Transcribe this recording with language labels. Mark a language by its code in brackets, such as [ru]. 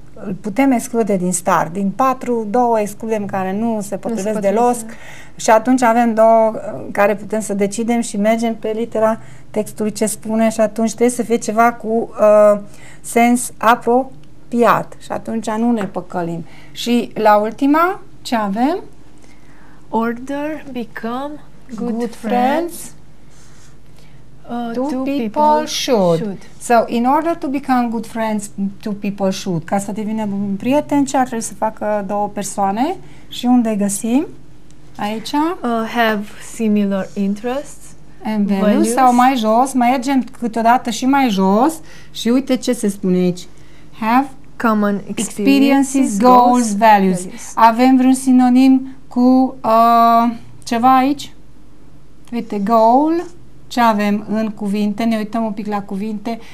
[ro] Îl putem exclude din start. Din 4, 2 excludem care nu se potrivesc deloc. Și atunci avem 2 care putem să decidem și mergem pe litera textului ce spune și atunci trebuie să fie ceva cu sens apropiat. Și atunci nu ne păcălim. Și la ultima, ce avem? [en] Order, become, good friends. Two people should. So, in order to become good friends, two people should. [ro] Ca să devină un prieten, ce ar trebui să facă 2 persoane? Și unde găsim? Aici? [en] Have similar interests. And values. [ro] Sau mai jos, mergem câteodată și mai jos și uite ce se spune aici. [en] Have common experiences, goals, values. [ro] Avem vreun sinonim cu ceva aici? Uite, goal. Ce avem în cuvinte? Ne uităm un pic la cuvinte.